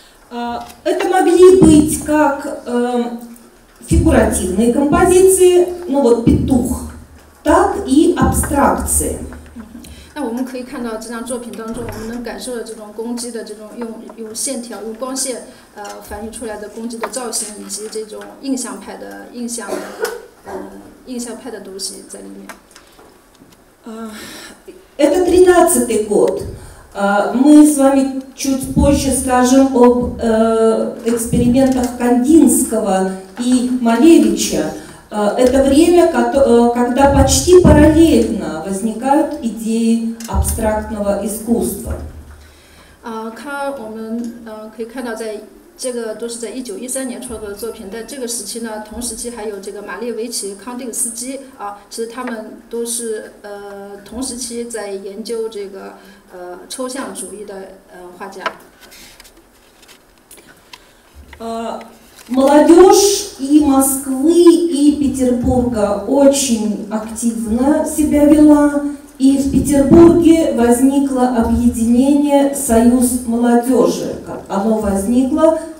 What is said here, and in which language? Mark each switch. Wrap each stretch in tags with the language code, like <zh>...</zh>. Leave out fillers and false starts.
<ru>Это могли быть как фигуративные композиции, ну вот петух, так и абстракции.</ru> <zh>那我们可以看到这张作品当中，我们能感受到这种公鸡的这种用线条、用光线。反映出来的攻击的造型以及这种印象派的印象派的东西在里面。</zh> <ru>Это 13-й год. Мы с вами чуть позже скажем об экспериментах Кандинского и Малевича. Это время, когда почти параллельно возникают идеи абстрактного искусства.</ru> <zh>我们可以看到在这个都是在1913年创作的作品，但这个时期呢，同时期还有这个马列维奇、康定斯基啊，其实他们都是同时期在研究这个抽象主义的画家。</zh> <ru>Молодежь и Москвы и Петербурга очень активно себя вела, и в Петербурге возникло объединение Союз молодежи, оно возникло</ru>